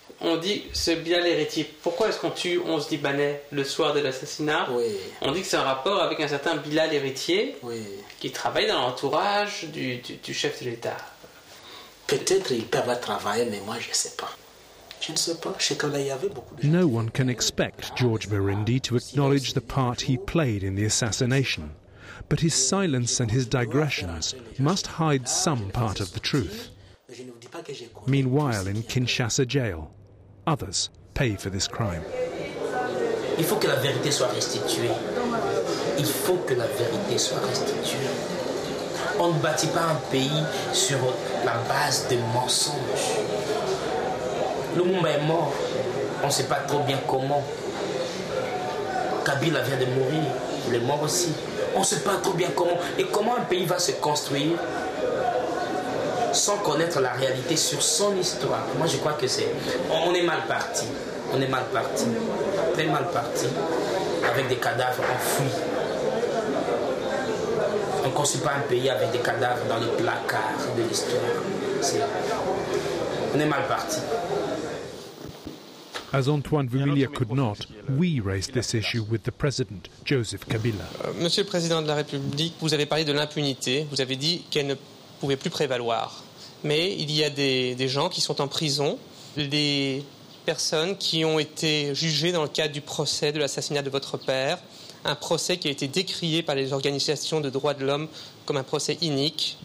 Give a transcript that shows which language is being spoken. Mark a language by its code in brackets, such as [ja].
[fr] On dit c'est bien l'héritier. Pourquoi est-ce qu'on tue 11 Libanais le soir de l'assassinat? Oui. On dit que c'est un rapport avec un certain Bilal Héritier. Oui. Qui travaille dans l'entourage du chef de l'État. Peut-être il peut avoir travaillé, mais moi je ne sais pas. Je ne sais pas. Je sais qu'il y avait beaucoup de [en] gens. No one can expect George Birindi to acknowledge the part he played in the assassination. But his silence and his digressions must hide some part of the truth. Meanwhile, in Kinshasa jail, others pay for this crime. [fr] Il faut que la vérité soit restituée. Il faut que la vérité soit restituée. On ne bâtit pas un pays sur la base de mensonges. Lumumba est mort. On ne sait pas trop bien comment. Kabila vient de mourir. Il est mort aussi. On ne sait pas trop bien comment. Et comment un pays va se construire sans connaître la réalité sur son histoire? Moi, je crois que c'est... On est mal parti. On est mal parti. Très mal parti. Avec des cadavres enfouis. On ne construit pas un pays avec des cadavres dans les placards de l'histoire. On est mal parti. [en] As Antoine Vumilia could not, we raised this issue with the president, Joseph Kabila. [fr] Monsieur le président de la République, vous avez parlé de l'impunité. Vous avez dit qu'elle ne pouvait plus prévaloir. Mais il y a des gens qui sont en prison, des personnes qui ont été jugées dans le cadre du procès de l'assassinat de votre père, un procès qui a été décrié par les organisations de droits de l'homme comme un procès inique.